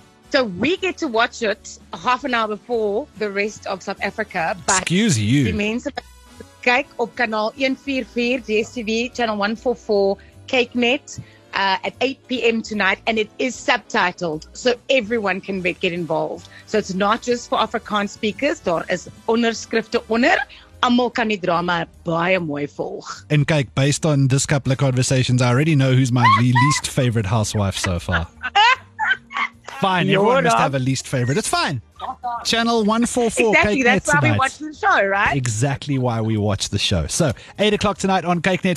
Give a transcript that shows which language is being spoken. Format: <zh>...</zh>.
<en>So we get to watch it half an hour before the rest of South Africa. But excuse you. It means</en> <af>kyk op kanaal 144</af> <en>DStv channel 144 CakeNet at 8 p.m. tonight, and it is subtitled so everyone can get involved. So it's not just for Afrikaans speakers.</en> <af>Daar is onderskrifte onder. Almal kan die drama baie mooi volg.</af> <en>And kyk, based on this couple of conversations, I already know who's my least favorite housewife so far. Fine, you're everyone must have a least favorite. It's fine. Channel 144. Exactly, CakeNet that's why tonight. We watch the show, right? Exactly why we watch the show. So, 8 o'clock tonight on CakeNet.</en>